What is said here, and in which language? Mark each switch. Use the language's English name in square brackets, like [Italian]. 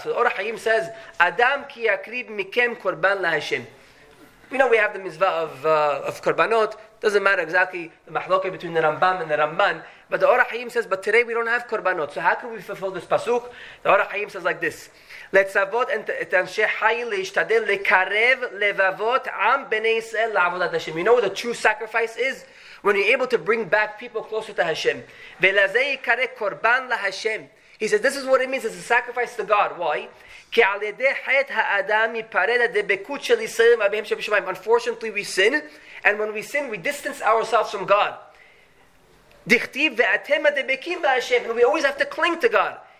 [Hebrew] So Or HaHayim says, Adam ki yakrib mikem korban laHashem. [English] You know we have the mitzvah of korbanot. Doesn't matter exactly the machloket between the Rambam and the Ramban. But the Or HaHayim says, but today we don't have korbanot. So how can we fulfill this pasuk? The Or HaHayim says like this. [Hebrew] לצוות את אנשי חי להשתדל לקרב לבבות עם בני ישראל לעבודת השם. [English] You know what the true sacrifice is? When you're able to bring back people closer to Hashem. [Hebrew] ולזה יקרא קורבן להשם. [English] He says, this is what it means, it's a sacrifice to God. Why? [Hebrew] כי על ידי חטא האדם יפרד הדבקות של ישראל מהבהם שבשמיים. [English] Unfortunately, we sin. And when we sin, we distance ourselves from God. [Hebrew] דכתיב ואתם הדבקים בהשם. [English] And we always have to cling to God.